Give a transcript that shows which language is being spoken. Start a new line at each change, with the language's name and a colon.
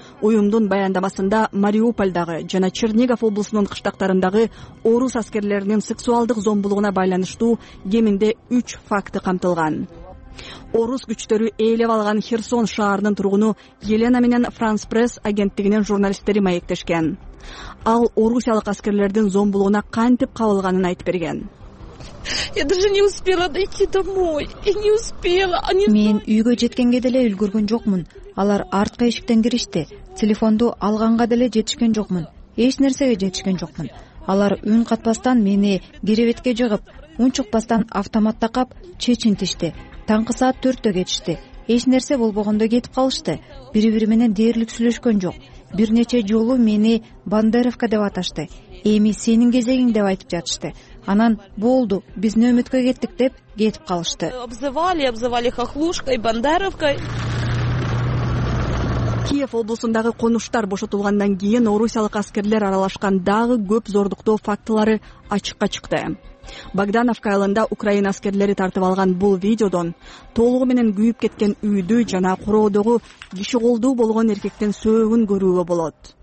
Kyrgyz: Уюмдун баяндамасында Мариупольдагы жана Чернигов облусунун кыштактарындагы орус аскерлеринин сексуалдык зомбулугуна байланыштуу кеминде 3 факты камтылган. Орус күчтөрү ээлеп алган Херсон шаарынын тургуну Елена менен France Press агенттигинин журналисттери маектешкен. Ал орусиялык аскерлердин зомбулугуна кантип кабылганын айтып берген.
Russian: Я даже не успела дойти домой. И не успела. Они...
Kyrgyz: Мен үйгө жеткенге деле үлгүргөн жокмун. Алар артка эшиктен киришти. Телефонду алганга деле жетишкен жокмун. Эч нерсеге жетишкен жокмун. Алар үн катпастан мени керебетке жыгып, унчукпастан автоматта кап чечинтишти. Таңкы саат 4-тө кетишти. Эч нерсе болбогондо кетип калышты. Бири-бири менен дээрлик сүйлөшкөн жок. Бир нече жолу мени Бандеровка деп аташты. Эми сенин кезегиң деп айтып жатышты. Анан болду, биз нөөмөткө кеттик деп кетип калышты.
Russian: Обзывали хохлушкой, Бандеровкой.
Kyrgyz: Киев облусундагы конуштар бошотулгандан кийин орусиялык аскерлер аралашкан дагы көп зордуктоо фактылары ачыкка чыкты. Богдановка айылында Украина аскерлери тартып алган бул видеодон толугу менен күйүп кеткен үйдү жана куроодогу киши колдуу болгон эркектин сөөгүн көрүүгө болот.